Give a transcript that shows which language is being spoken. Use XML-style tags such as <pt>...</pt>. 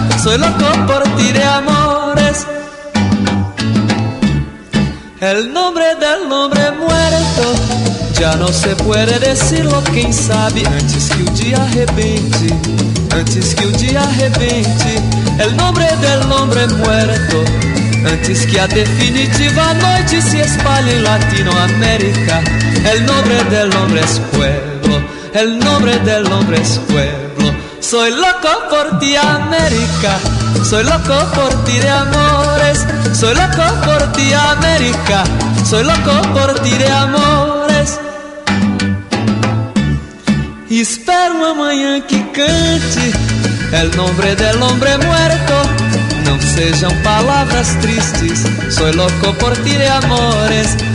<es>Soy loco por ti de amores. El nombre del hombre muerto. Ya no se puede decirlo, quién sabe. Antes que un día arrebente. Antes que un día arrebente. El nombre del hombre muerto.</es> <pt>Antes que a definitiva noite se espalhe em Latinoamérica.</pt> <es>El nombre del hombre es pueblo. El nombre del hombre es pueblo. Soy loco por ti, América. Soy loco por ti de amores. Soy loco por ti, América. Soy loco por ti de amores.</es> <pt>Espero uma manhã que cante.</pt> <es>El nombre del hombre muerto.</es> <pt>Não sejam palavras tristes.</pt> <es>Soy loco por ti de amores.</es>